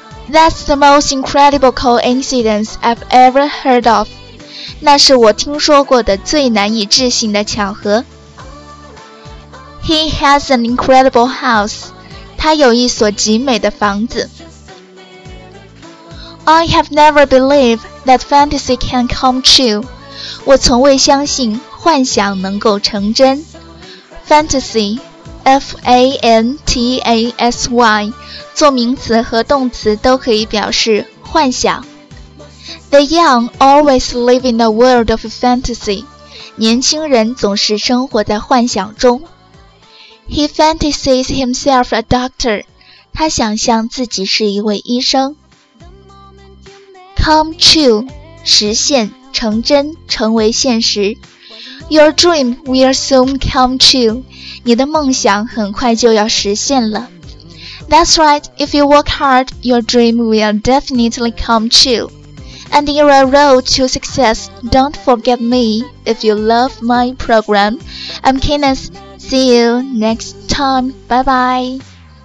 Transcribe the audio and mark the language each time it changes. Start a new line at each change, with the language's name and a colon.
English: That's the most incredible coincidence I've ever heard of.
Chinese: 那是我听说过的最难以置信的巧合。
English: He has an incredible house.
Chinese: 他有一所极美的房子。
English: I have never believed that fantasy can come true.
Chinese: 我从未相信幻想能够成真。 Fantasy,F-A-N-T-A-S-Y 做名词和动词都可以表示幻想。
English: The young always live in a world of fantasy.
Chinese: 年轻人总是生活在幻想中。
English: He fantasies himself a doctor.
Chinese: 他想象自己是一位医生。 Come true, 实现、成真、成为现实。
English: Your dream will soon come true.
Chinese: 你的梦想很快就要实现了。
English: That's right, if you work hard, your dream will definitely come true. And in your road to success, don't forget me. If you love my program, I'm Kenneth. See you next time. Bye bye.